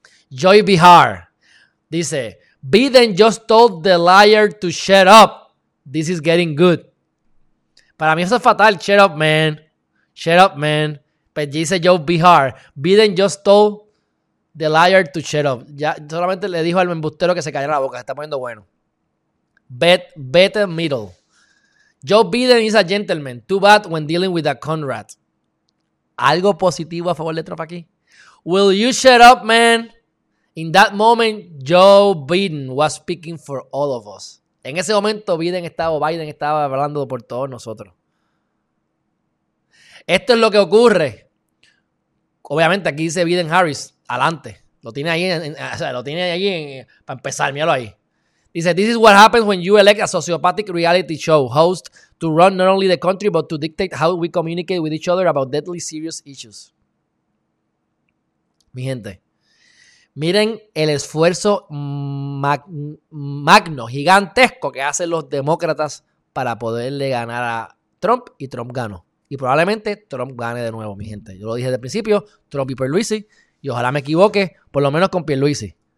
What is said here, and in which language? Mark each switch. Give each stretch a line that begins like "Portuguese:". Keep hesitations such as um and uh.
English: Joy Bihar dice, Biden just told the liar to shut up. This is getting good.
Spanish: Para mí eso es fatal.
English: Shut up, man. Shut up, man.
Spanish: Pues dice
English: Joe Bihar, Biden just told the liar to shut up.
Spanish: Ya solamente le dijo al embustero que se callara la boca. Se está poniendo bueno.
English: Bet, better middle. Joe Biden is a gentleman. Too bad when dealing with a Conrad.
Spanish: Algo positivo a favor de Trump aquí.
English: Will you shut up, man? In that moment, Joe Biden was speaking for all of us.
Spanish: En ese momento, Biden estaba, o Biden estaba hablando por todos nosotros. Esto es lo que ocurre. Obviamente, aquí dice Biden Harris, adelante. Lo tiene ahí, en- en- o sea, lo tiene ahí en- para empezar, míralo ahí. Dice,
English: this is what happens when you elect a sociopathic reality show host to run not only the country, but to dictate how we communicate with each other about deadly serious issues.
Spanish: Mi gente, miren el esfuerzo mag- magno, gigantesco que hacen los demócratas para poderle ganar a Trump y Trump ganó. Y probablemente Trump gane de nuevo, mi gente. Yo lo dije desde el principio, Trump y Pierluisi, y ojalá me equivoque, por lo menos con Pierluisi.